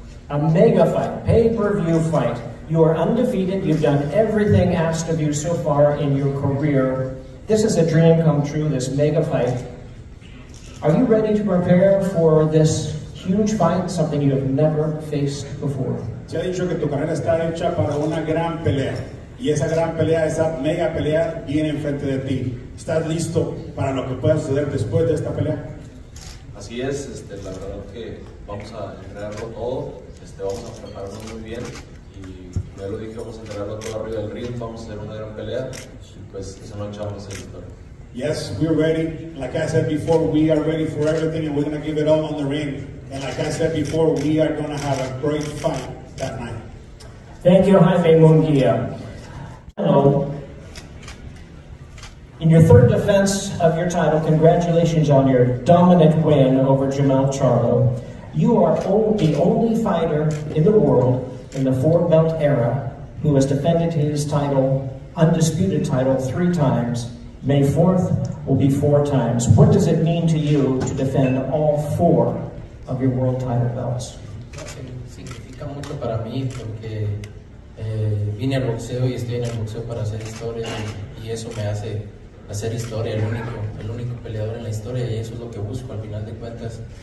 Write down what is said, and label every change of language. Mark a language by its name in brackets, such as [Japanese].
[English] A mega fight, pay-per-view fight. You are undefeated. You've done everything asked of you so far in your career. This is a dream come true, this mega fight. Are you ready to prepare for this huge fight, something you have never faced before? [Spanish] Se ha dicho que tu carrera está hecha para una gran pelea. Y esa gran pelea, esa mega pelea, viene enfrente de ti. ¿Estás listo para lo que pueda suceder después de esta pelea? Así es, la verdad que vamos a entrenarlo todo. Vamos a prepararnos muy bien. Y ya lo dije, vamos a entrenarlo todo arriba del ring. Vamos a hacer una gran pelea. Y pues esa noche vamos a hacer historia. [English] Yes, we're ready. Like I said before, we are ready for everything and we're going to give it all on the ring. And like I said before, we are going to have a great fight that night. Thank you, Jaime Munguia. Hello. In your third defense of your title, congratulations on your dominant win over Jamal Charlo. You are the only fighter in the world in the four belt era who has defended his title, undisputed title, three times. May 4th will be four times. What does it mean to you to defend all four of your world title belts? [Spanish] Significa mucho para mí porque vine al boxeo y estoy en el boxeo para hacer historia y eso me hace hacer historia, el único peleador en la historia y eso es lo que busco al final de cuentas.